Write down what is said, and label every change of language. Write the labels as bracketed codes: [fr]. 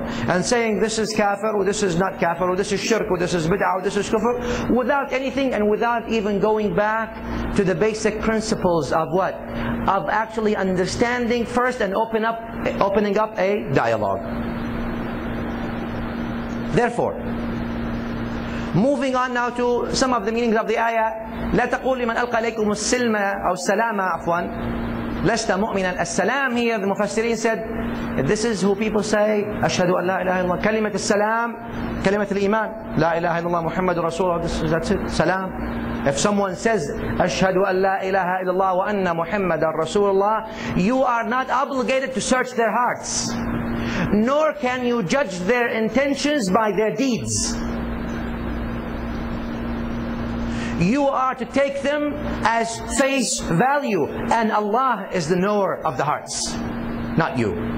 [en] And saying this is kafir or this is not kafir or this is shirk or this is bid'ah or this is kufr without anything and without even going back to the basic principles of what? Of actually understanding first and opening up a dialogue. Therefore, moving on now to some of the meanings of the ayah. [ar] لا تقول لمن ألقى إليكم السلم أو السلام عفوا لست مؤمنا. السلام هي, the مفسرين said, [en] this is who people say [ar] أشهد أن لا إله إلا الله. كلمة السلام, كلمة الإيمان, لا إله إلا الله محمد رسول الله, [en] that's it, [ar] سلام. [en] If someone says [ar] أشهد أن لا إله إلا الله وأن محمد رسول الله, [en] you are not obligated to search their hearts, nor can you judge their intentions by their deeds. You are to take them as face value, and Allah is the knower of the hearts, not you.